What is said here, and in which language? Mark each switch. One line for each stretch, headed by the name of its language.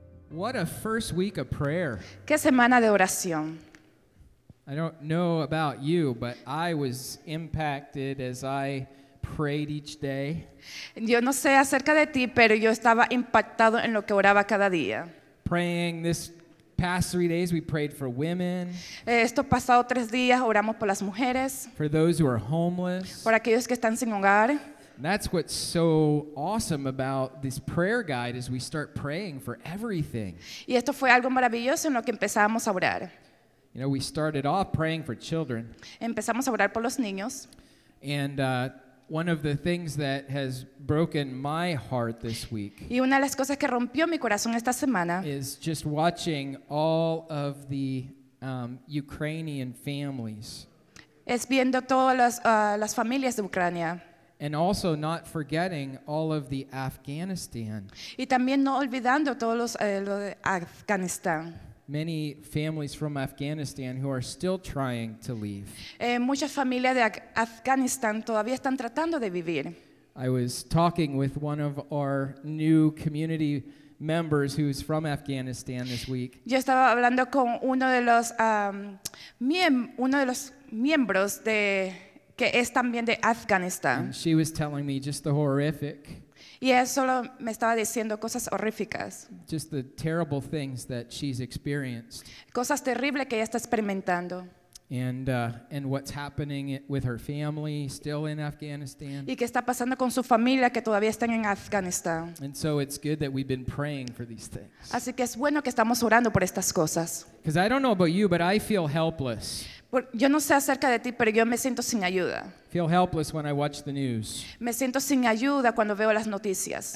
English: What a first week of prayer.
Spanish: ¿Qué semana de oración?
English: I don't know about you, but I was impacted as I prayed each day.
Spanish: Yo no sé acerca de ti, pero yo estaba impactado en lo que oraba cada día.
English: Praying this past 3 days, we prayed for women.
Spanish: Estos pasados 3 días, oramos por las mujeres.
English: For those who are homeless.
Spanish: Por aquellos que están sin hogar.
English: That's what's so awesome about this prayer guide as we start praying for everything.
Spanish: Y esto fue algo maravilloso en lo que empezamos a orar.
English: You know, we started off praying for children.
Spanish: Empezamos a orar por los niños.
English: And one of the things that has broken my heart this week.
Spanish: Y una de las cosas que rompió mi corazón esta semana
English: is just watching all of the Ukrainian families.
Spanish: Es viendo todas las familias de Ucrania.
English: And also not forgetting all of the Afghanistan.
Spanish: Y también no olvidando todos los de Afganistán.
English: Many families from Afghanistan who are still trying to leave.
Spanish: Muchas familias de Afganistán todavía están tratando de vivir.
English: I was talking with one of our new community members who's from Afghanistan this week.
Spanish: Yo estaba hablando con uno de los miembros de que es también de Afganistán.
English: And she was telling me just the horrific.
Spanish: Y ella solo me estaba diciendo cosas horríficas.
English: Just the terrible things that she's experienced.
Spanish: Cosas terribles que ella está experimentando.
English: And what's happening with her family still in Afghanistan.
Spanish: Y qué está pasando con su familia que todavía están en Afganistán.
English: And so it's good that we've been praying for these things.
Spanish: Así que es bueno que estamos orando por estas cosas.
English: Because I don't know about you, but I feel helpless.
Spanish: Yo no sé acerca de ti, pero yo me siento sin ayuda.
English: Feel helpless when I watch the news.
Spanish: Me siento sin ayuda cuando veo las noticias.